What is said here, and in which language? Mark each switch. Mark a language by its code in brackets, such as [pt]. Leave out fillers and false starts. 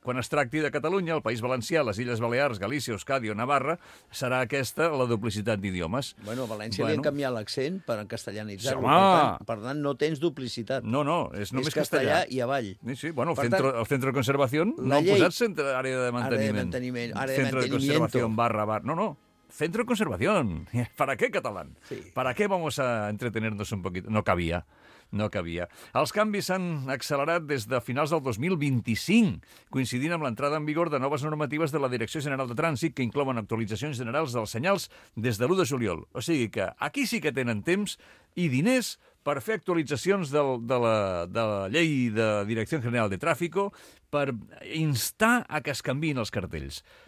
[ca] Quan es tracti de Catalunya, el País Valencià, les Illes Balears, Galícia, Euskadi o Navarra, serà aquesta la duplicitat d'idiomes. Bueno, a València li han canviat l'accent per en castellanitzar-lo. Sí, per tant, no tens duplicitat. No, és només castellà. És castellà i avall. Sí, bueno, el centre de conservació no ha posat centre d'àrea de manteniment. Centre de conservació /... No, no. [es] Centro de conservación. ¿Para qué, catalán? Sí. ¿Para qué vamos a entretenernos un poquito? No cabía. [ca] Els canvis s'han accelerat des de finals del 2025, coincidint amb l'entrada en vigor de noves normatives de la Direcció General de Trànsit que inclouen actualitzacions generals dels senyals des de l'1 de juliol. O sigui que aquí sí que tenen temps i diners per fer actualitzacions de la llei de Direcció General de Tráfico per instar a que es canviïn els cartells.